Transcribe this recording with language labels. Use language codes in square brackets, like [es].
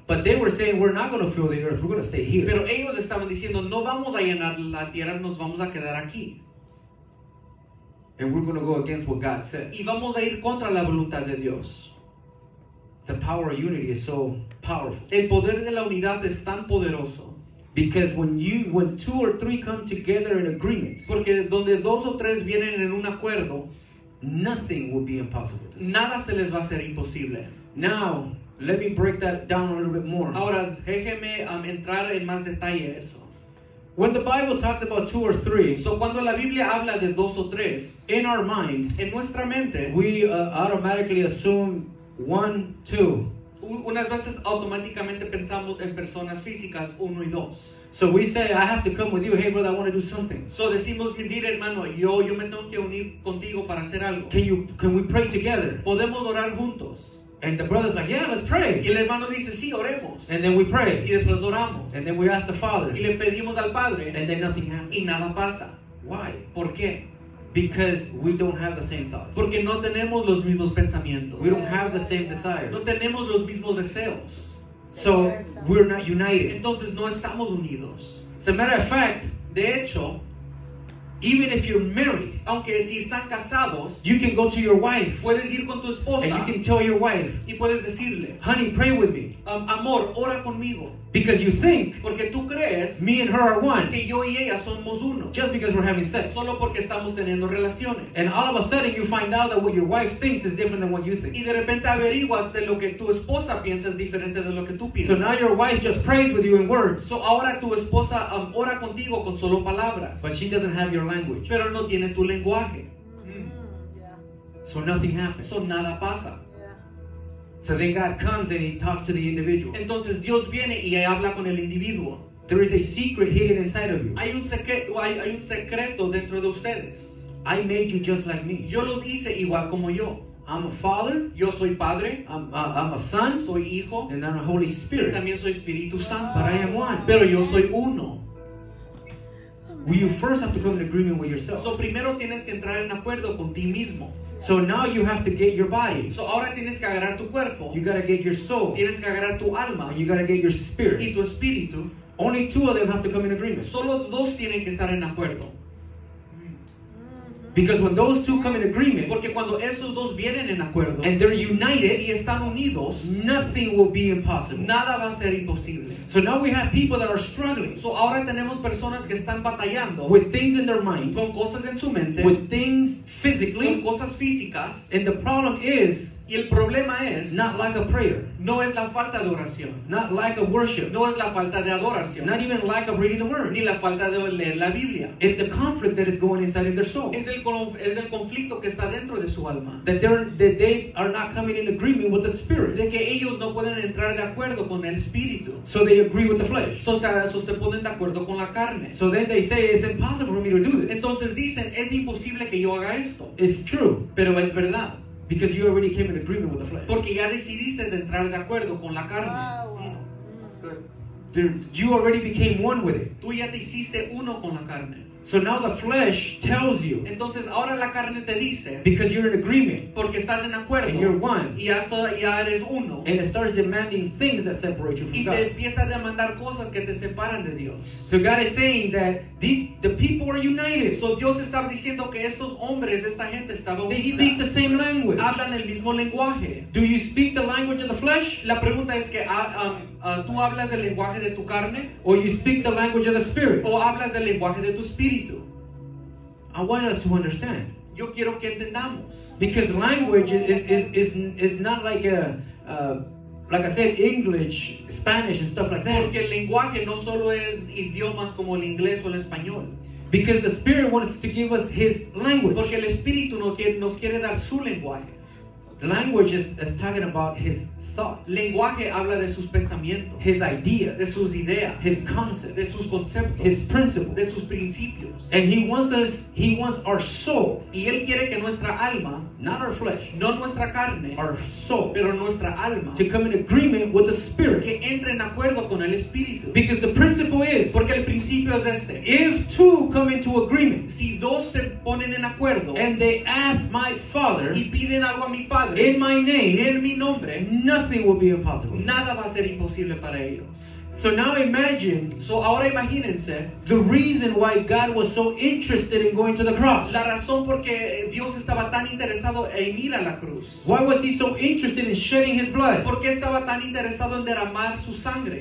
[en] But they were saying, we're not going to fill the earth, we're going to stay here. [es] Pero ellos estaban diciendo, no vamos a llenar la tierra, nos vamos a quedar aquí. [en] And we're going to go against what God said. [es] Y vamos a ir contra la voluntad de Dios. [en] The power of unity is so powerful. [es] El poder de la unidad es tan poderoso. [en] Because when two or three come together in agreement. [es] Porque donde dos o tres vienen en un acuerdo. [en] Nothing will be impossible. [es] Nada se les va a ser imposible. [en] Now, let me break that down a little bit more. [es] Ahora, déjeme entrar en más detalle eso. [en] When the Bible talks about two or three, [es] so cuando la Biblia habla de dos o tres, [en] in our mind, [es] en nuestra mente, [en] we automatically assume one, two. [es] Unas veces automáticamente pensamos en personas físicas, uno y dos. [en] So we say, I have to come with you. Hey, brother, I want to do something. [es] So decimos, mira, hermano, yo me tengo que unir contigo para hacer algo. [en] Can we pray together? [es] Podemos orar juntos. [en] And the brother's like, yeah, let's pray. [es] Y el hermano dice, sí, oremos. [en] And then we pray. [es] Y después oramos. [en] And then we ask the Father. [es] Y le pedimos al Padre. [en] And then nothing happens. [es] Y nada pasa. [en] Why? [es] ¿Por qué? [en] Because we don't have the same thoughts. [es] Porque no tenemos los mismos pensamientos. [en] We don't have the same desires. [es] No tenemos los mismos deseos. [en] So we're not united. [es] Entonces no estamos unidos. [en] As a matter of fact, [es] de hecho, [en] even if you're married, [es] aunque si están casados, [en] you can go to your wife. [es] Puedes ir con tu esposa. [en] And you can tell your wife. [es] Y puedes decirle, [en] honey, pray with me. [es] Amor, ora conmigo. [en] Because you think, [es] porque tú crees, [en] me and her are one. [es] Que yo y ella somos uno. [en] Just because we're having sex. [es] Solo porque estamos teniendo relaciones. [en] And all of a sudden you find out that what your wife thinks is different than what you think. [es] Y de repente averiguas de lo que tu esposa piensa es diferente de lo que tú piensas. [en] So now your wife just prays with you in words. [es] So ahora tu esposa ora contigo con solo palabras. [en] But she doesn't have your language. [es] Pero no tiene tu lenguaje. [en] So nothing happens. [es] So nada pasa. [en] So then God comes and he talks to the individual. [es] Entonces Dios viene y habla con el individuo. [en] There is a secret hidden inside of you. [es] Hay un secreto dentro de ustedes. [en] I made you just like me. [es] Yo los hice igual como yo. [en] I'm a father. [es] Yo soy padre. [en] I'm a son. [es] Soy hijo. [en] And I'm a Holy Spirit. [es] Y también soy Espíritu Santo. [en] But I am one. [es] Pero yo soy uno. [en] Well, you first have to come in agreement with yourself. [es] So primero tienes que entrar en acuerdo con ti mismo. [en] So now you have to get your body. [es] So ahora tienes que agarrar tu cuerpo. [en] You gotta get your soul. [es] Tienes que agarrar tu alma. [en] And you gotta get your spirit. [es] Y tu espíritu. [en] Only two of them have to come in agreement. [es] Solo dos tienen que estar en acuerdo. [en] Because when those two come in agreement, [es] porque cuando esos dos vienen en acuerdo, [en] and they're united, [es] y están unidos, [en] nothing will be impossible. [es] Nada va a ser imposible. [en] So now we have people that are struggling. [es] So ahora tenemos personas que están batallando [en] with things in their mind, [es] con cosas en su mente, [en] with things physically, [es] con cosas físicas, [en] and the problem is, [es] y el problema es, [en] not lack of prayer, [es] no es la falta de oración, [en] not lack of worship, [es] no es la falta de adoración, [en] not even lack of reading the word, [es] ni la falta de leer la Biblia. [en] It's the conflict that is going inside of their soul. [es] Es el conflicto que está dentro de su alma. [en] That they are not coming in agreement with the spirit. [es] De que ellos no pueden entrar de acuerdo con el espíritu. [en] So they agree with the flesh. [es] So se ponen de acuerdo con la carne. [en] So then they say it's impossible for me to do this. [es] Entonces dicen es imposible que yo haga esto. [en] It's true. [es] Pero es verdad. [en] Because you already came in agreement with the flesh. [es] Porque ya decidiste de entrar de acuerdo con la carne. [en] Wow. Mm. You already became one with it. [es] Tú ya te hiciste uno con la carne. [en] So now the flesh tells you. [es] Entonces ahora la carne te dice. [en] Because you're in agreement. [es] Porque estás en acuerdo. [en] And you're one. [es] Y ya eres uno. [en] And it starts demanding things that separate you from God. [es] Y te empieza a demandar cosas que te separan de Dios. [en] So God is saying that the people are united. [es] So Dios está diciendo que estos hombres, esta gente estaba unida. [en] They speak the same language. [es] Hablan el mismo lenguaje. [en] Do you speak the language of the flesh? [es] La pregunta es que tú hablas del lenguaje de tu carne. [en] Or you speak the language of the spirit. [es] O hablas del lenguaje de tu espíritu. [en] I want us to understand. [es] Yo quiero que entendamos. [en] Because language is not like a like I said, English, Spanish, and stuff like that. [es] Porque el lenguaje no solo es idiomas como el inglés o el español. [en] Because the Spirit wants to give us His language. [es] Porque el Espíritu nos quiere dar su lenguaje. [en] Language is talking about His thoughts. [es] Lenguaje habla de sus pensamientos. [en] His ideas. [es] De sus ideas. [en] His concepts. [es] De sus conceptos. [en] His principles. [es] De sus principios. [en] And He wants our soul. [es] Y Él quiere que nuestra alma, [en] not our flesh, [es] no nuestra carne, [en] our soul, [es] pero nuestra alma, [en] to come in agreement with the spirit. [es] Que entre en acuerdo con el espíritu. [en] Because the principle is, [es] porque el principio es este, [en] if two come into agreement, [es] si dos se ponen en acuerdo, [en] and they ask my father, [es] y piden algo a mi padre, [en] in my name, [es] en mi nombre, [en] nothing will be impossible. [es] Nada va a ser imposible para ellos. [en] So now imagine. [es] So ahora imagínense. [en] The reason why God was so interested in going to the cross. [es] La razón porque Dios estaba tan interesado en ir a la cruz. [en] Why was He so interested in shedding His blood? [es] ¿Por qué estaba tan interesado en derramar su sangre?